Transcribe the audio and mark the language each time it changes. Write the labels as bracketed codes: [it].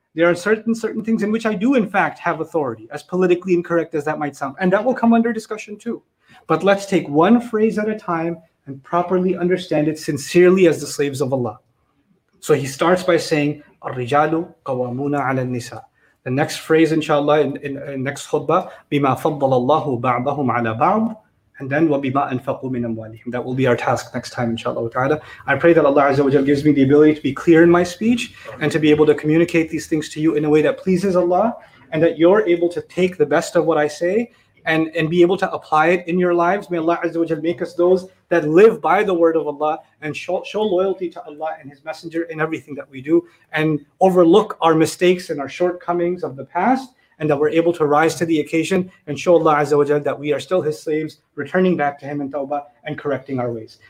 [en] There are certain things in which I do, in fact, have authority, as politically incorrect as that might sound. And that will come under discussion too. But let's take one phrase at a time and properly understand it sincerely as the slaves of Allah. So he starts by saying, [ar] الرجال قوامون على النساء. [en] The next phrase, inshallah, in next khutbah, [ar] بِمَا فَضَّلَ اللَّهُ بَعْضَهُمْ عَلَىٰ بَعْضٍ [en] and then [ar] وَبِمَا أَنْفَقُوا مِنْ أَمْوَالِهِمْ. [en] That will be our task next time, inshallah ta'ala. I pray that Allah Azza wa Jal gives me the ability to be clear in my speech and to be able to communicate these things to you in a way that pleases Allah, and that you're able to take the best of what I say and be able to apply it in your lives. May Allah Azza wa Jal make us those that live by the word of Allah and show loyalty to Allah and His Messenger in everything that we do, and overlook our mistakes and our shortcomings of the past, and that we're able to rise to the occasion and show Allah Azza wa Jal that we are still His slaves, returning back to Him in tawbah and correcting our ways.